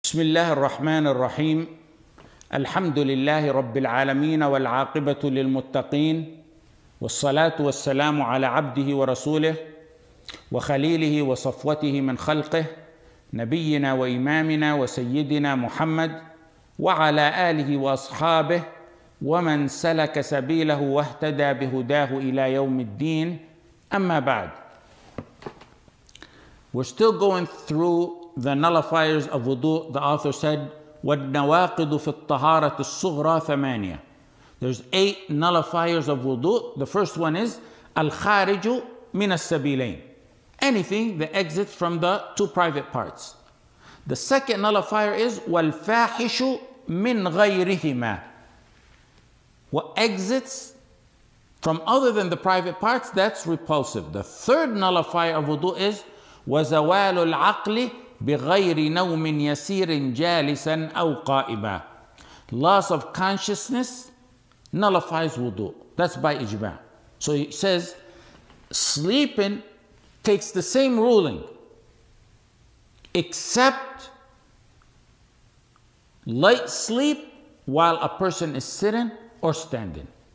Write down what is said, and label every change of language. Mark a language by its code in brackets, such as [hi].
[ar] بسم الله الرحمن الرحيم الحمد لله رب العالمين والعاقبة للمتقين والصلاة والسلام على عبده ورسوله وخليله وصفوته من خلقه نبينا وإمامنا وسيدنا محمد وعلى آله وأصحابه ومن سلك سبيله واهتدى بهداه إلى يوم الدين أما بعد. [en] We're still going through the nullifiers of wudu. The author said, [ar] وَالنَّوَاقِضُ فِي الطَّهَارَةِ الصُّغْرَى ثَمَانِيَةً. [en] There's eight nullifiers of wudu. The first one is [ar] الْخَارِجُ مِنَ السَّبِيلَيْنِ. [en] Anything that exits from the two private parts. The second nullifier is [ar] وَالْفَاحِشُ مِنْ غَيْرِهِمَا. [en] What exits from other than the private parts, that's repulsive. The third nullifier of wudu is [ar] وَزَوَالُ الْعَقْلِ بِغَيْرِ نَوْمٍ يَسِيرٍ جَالِسًا أَوْ قَائِبًا. [en] Loss of consciousness nullifies wudu. That's by ijma. So he says, sleeping takes the same ruling, except light sleep while a person is sitting or standing.